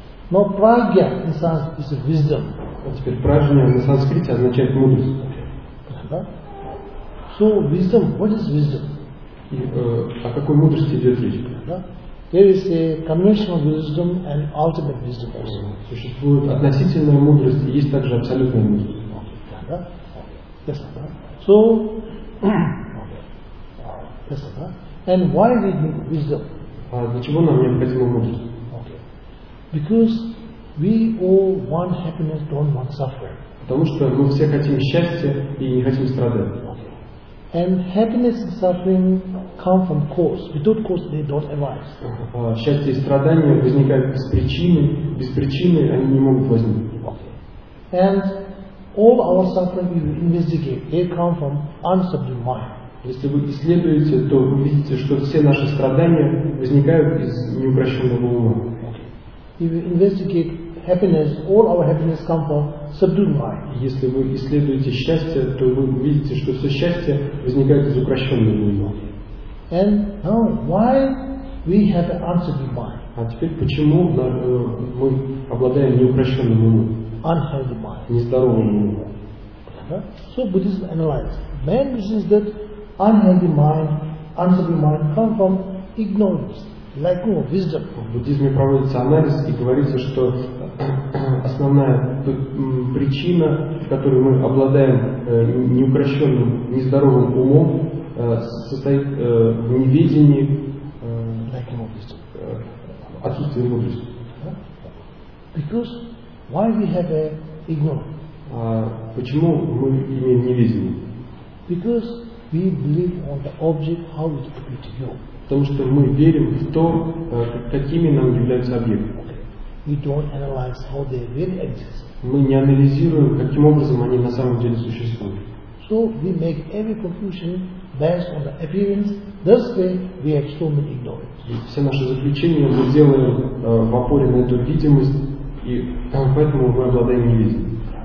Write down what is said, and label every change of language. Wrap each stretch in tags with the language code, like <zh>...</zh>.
<ru>Но прагья на санскрите</ru> <en>is wisdom.</en> <ru>А теперь пражня на санскрите означает мудрость.</ru> <en>So wisdom, what is wisdom?</en> <ru>О какой мудрости идет речь?</ru> <en>There is a combination of wisdom and ultimate wisdom.</en> <ru>Существует относительная мудрость и есть также абсолютная мудрость.</ru> <en>Yes, so, yes, and why we need wisdom?</en> <ru>А для чего нам необходима мудрость?</ru> <en>Because we all want happiness, don't want suffering.</en> <ru>Потому что мы все хотим счастья и не хотим страдать.</ru> <en>And happiness and suffering come from cause. Without cause, they don't arise.</en> <ru>Счастье и страдания возникают без причины. Без причины они не могут возникнуть.</ru> <en>And all our suffering we investigate, they come from unsubdued mind.</en> <ru>Если вы исследуете, то вы видите, что все наши страдания возникают из неукрощенного ума.</ru> <en>If we investigate happiness, all our happiness come from subdued mind.</en> <ru>Если вы исследуете счастье, то вы увидите, что все счастье возникает из укрощенного ума.</ru> <en>And now, why we have unsubdued mind?</en> <ru>А теперь почему мы обладаем неукрощенным умом?</ru> <en>Unhealthy mind.</en> <ru>Нездоровым умом.</ru> <en>So Buddhism analyzes. Man says that unhealthy mind, unsubdued mind come from ignorance. Like, no,</en> <ru>в буддизме проводится анализ и говорится, что основная причина, в которой мы обладаем неукрощенным, нездоровым умом, состоит в неведении,</ru> <en>like, no,</en> <ru>отсутствии мудрости.</ru> <en>Because why we have a ignorance?</en> <ru>Почему мы имеем неведение?</ru> <en>Because we believe on the object how it appears to you.</en> <ru>Потому что мы верим в то, какими нам являются объекты.</ru> <en>We don't analyze how they really exist.</en> <ru>Мы не анализируем, каким образом они на самом деле существуют.</ru> <en>So we make every conclusion based on the appearance. This way we have so many ignorance.</en> <ru>Все наши заключения мы делаем в опоре на эту видимость, и поэтому мы обладаем невидимым.</ru>